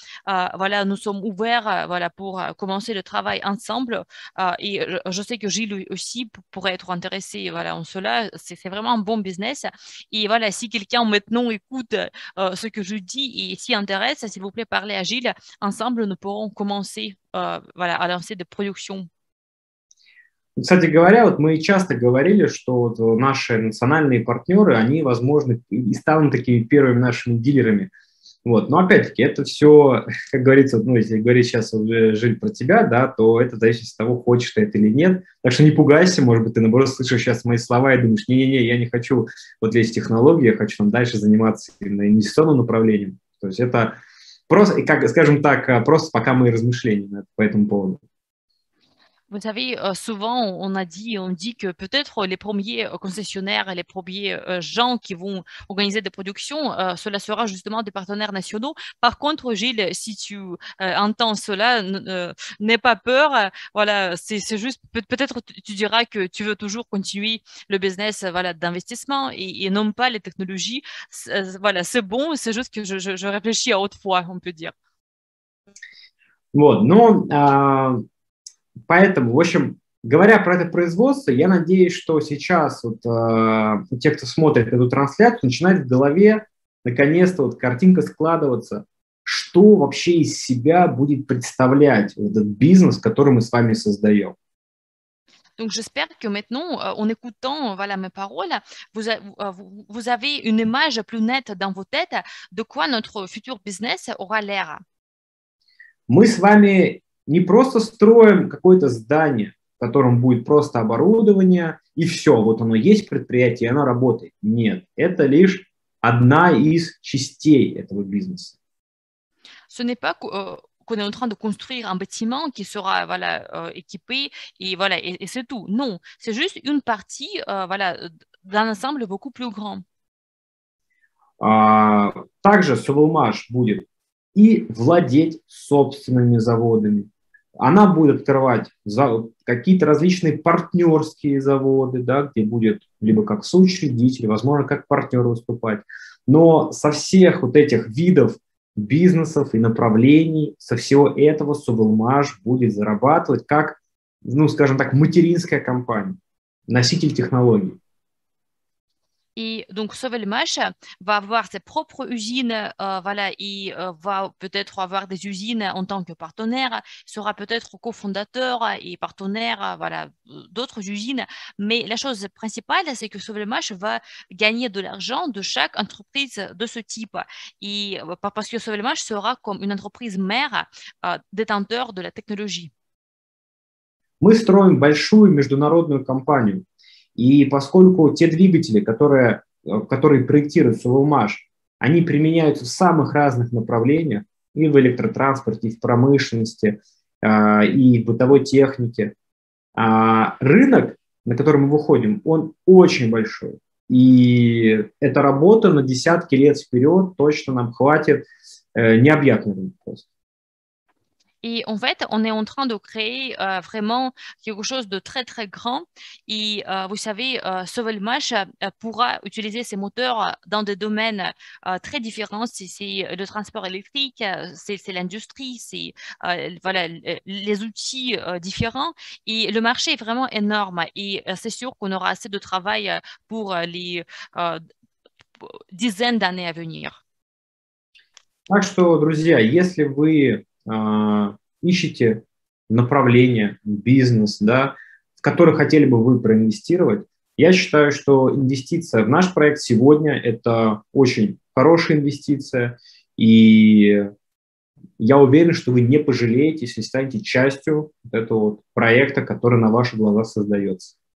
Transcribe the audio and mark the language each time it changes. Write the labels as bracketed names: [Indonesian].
[French] Voilà, nous sommes ouverts voilà pour commencer le travail ensemble et je sais que Gilles aussi pourrait être intéressé voilà en cela c'est vraiment un bon business et voilà si quelqu'un maintenant écoute ce que je dis et s'y intéresse s'il vous plaît parlez à Gilles ensemble nous pourrons commencer voilà à lancer des productions. [Russian] Кстати говоря, вот мы часто говорили, что вот наши национальные партнеры, они возможно и станут такими первыми нашими дилерами. Вот, но опять-таки, это все, как говорится, ну, если говорить сейчас уже Жиль про тебя, да, то это зависит от того, хочешь ты это или нет. Так что не пугайся, может быть, ты наоборот слышишь сейчас мои слова и думаешь, не-не-не, я не хочу вот лезть в технологии, я хочу там дальше заниматься именно инвестиционным направлением. То есть это просто, как, скажем так, просто пока мои размышления по этому поводу. [French] Vous savez, souvent, on dit que peut-être les premiers concessionnaires, les premiers gens qui vont organiser des productions, cela sera justement des partenaires nationaux. Par contre, Gilles, si tu entends cela, n'aie pas peur. Voilà, c'est juste, peut-être tu diras que tu veux toujours continuer le business voilà, d'investissement et non pas les technologies. Voilà, c'est bon, c'est juste que je réfléchis à haute voix, on peut dire. Bon, non. [Russian] Поэтому, в общем, говоря про это производство, я надеюсь, что сейчас вот, те, кто смотрит эту трансляцию, начинают в голове наконец-то вот картинка складываться, что вообще из себя будет представлять вот этот бизнес, который мы с вами создаем. [French] Donc j'espère que maintenant, en écoutant voilà, mes paroles, vous avez une image plus nette dans vos têtes de quoi notre futur business aura l'air. [Russian] Мы с вами не просто строим какое-то здание, в котором будет просто оборудование, и все, вот оно есть предприятие, и оно работает. Нет, это лишь одна из частей этого бизнеса. [French] Ce n'est pas qu'on est en train de construire un bâtiment qui sera voilà, équipé, et voilà, et c'est tout. Non, c'est juste une partie voilà, d'un ensemble beaucoup plus grand. [Russian] Также Sublimage будет и владеть собственными заводами. Она будет открывать какие-то различные партнерские заводы, да, где будет либо как соучредитель, возможно, как партнер выступать. Но со всех вот этих видов бизнесов и направлений, со всего этого Sublimage будет зарабатывать как, ну, скажем так, материнская компания, носитель технологий. [French] Et donc Sublimage va avoir ses propres usines, voilà, et va peut-être avoir des usines en tant que partenaire, sera peut-être cofondateur et partenaire, voilà, d'autres usines. Mais la chose principale, c'est que Sublimage va gagner de l'argent de chaque entreprise de ce type, et parce que Sublimage sera comme une entreprise mère, détenteur de la technologie. [Russian] Мы строим большую международную компанию. И поскольку те двигатели, которые проектирует Sublimage, они применяются в самых разных направлениях, и в электротранспорте, и в промышленности, и в бытовой технике, рынок, на который мы выходим, он очень большой. И эта работа на десятки лет вперед точно нам хватит необъятный рынок. [French] Et en fait, on est en train de créer vraiment quelque chose de très, très grand. Et vous savez, Sublimage pourra utiliser ses moteurs dans des domaines très différents. Si c'est le transport électrique, c'est l'industrie, c'est voilà, les outils différents. Et le marché est vraiment énorme. Et c'est sûr qu'on aura assez de travail pour les dizaines d'années à venir. [Russian] Так что, друзья, если вы ищете направления, бизнес, да, в который хотели бы вы проинвестировать, я считаю, что инвестиция в наш проект сегодня – это очень хорошая инвестиция, и я уверен, что вы не пожалеете, если станете частью этого проекта, который на ваших глазах создается.